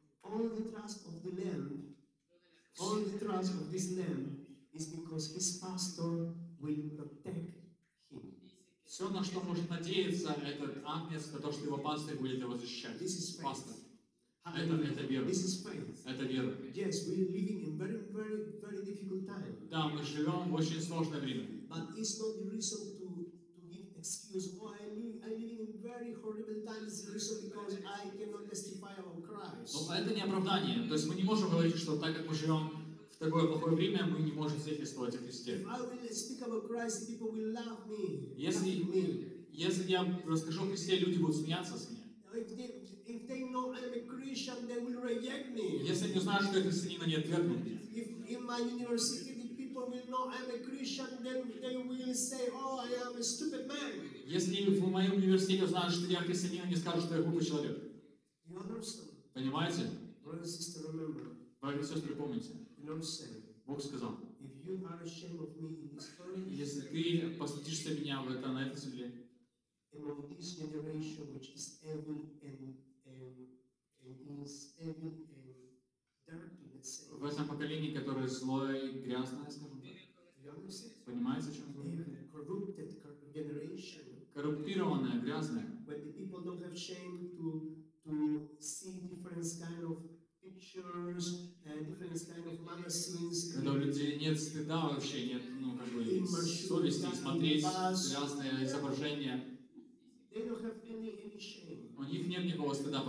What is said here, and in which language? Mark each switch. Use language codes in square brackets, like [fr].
[en] All the trust of the lamb, all the trust of this lamb is because his pastor will protect him. [ru] Все, на что может надеяться этот агнец, на то, что его пастор будет его защищать. [en] This is faith. [ru] Это вера. [en] This is faith. [ru] Это вера. [en] Yes, we're living in very, very, very difficult time. [ru] Да, мы живем в очень сложное время. [en] But it's not the reason to give excuse. Oh, I'm living in very horrible times. The reason because I cannot testify of Christ. [ru] Но это не оправдание. То есть мы не можем говорить, что так как мы живем в такое плохое время, мы не можем свидетельствовать о Христе. [en] If I will speak about Christ, people will love me. [ru] Если я расскажу о Христе, люди будут смеяться с меня. [en] If they know I'm a Christian, they will reject me. [ru] Если они знают, что я христианин, они отвергнут меня. [en] If in my university the people will know I'm a Christian, then they will say, oh, I am a stupid man. [ru] Если в моем университете знают, что я христианин, они скажут, что я глупый человек. [en] You understand? [ru] Понимаете? [en] Brothers and sisters, remember. [ru] Братья и сестры, помните. [en] The Lord said, [ru] Бог сказал. [en] If you are ashamed of me in this world, [ru] если ты постыдишься меня в это на этой земле. [en] Among this generation, which is evil and is evil and dirty, let's say. [ru] В этом поколении, которое злое и грязное, скажем так. Понимаете, о чем говорю? Коррумпированное, грязное. [en] When the people don't have shame to see different kind of pictures and different kind of magazines. [ru] Когда у людей нет стыда вообще, нет, ну как бы совести смотреть грязные изображения. [en] They don't have any shame. [ru] У них нет никакого стыда по